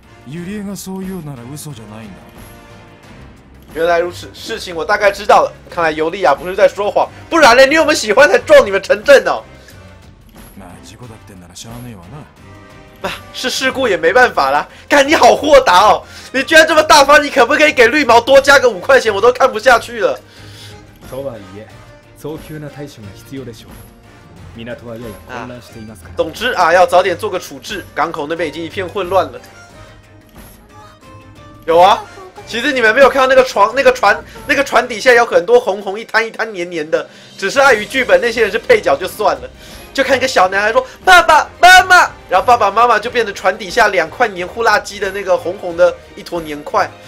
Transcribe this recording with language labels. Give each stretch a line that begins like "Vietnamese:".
Japanese: ユリエがそう言うなら嘘じゃないんだ。
Chinese: 原来如此，事情我大概知道了。看来尤利亚不是在说谎，不然呢？你有没有喜欢才撞你们城镇呢？
Japanese: 那事故だってならしゃあねえわな。
Chinese: 啊，是事故也没办法啦。干，你好豁达哦，你居然这么大方，你可不可以给绿毛多加个五块钱？我都看不下去了。
Japanese: とはいえ、早急な対処が必要でしょう。港はやや混乱していますから。
Chinese: 总之啊，要早点做个处置，港口那边已经一片混乱了。有啊，其实你们没有看到那个床、那个船、那个船底下有很多红红一滩一滩黏黏的，只是碍于剧本那些人是配角就算了。就看一个小男孩说：“爸爸妈妈。” 然后爸爸妈妈就变成船底下两块黏糊拉鸡的那个红红的一坨黏块。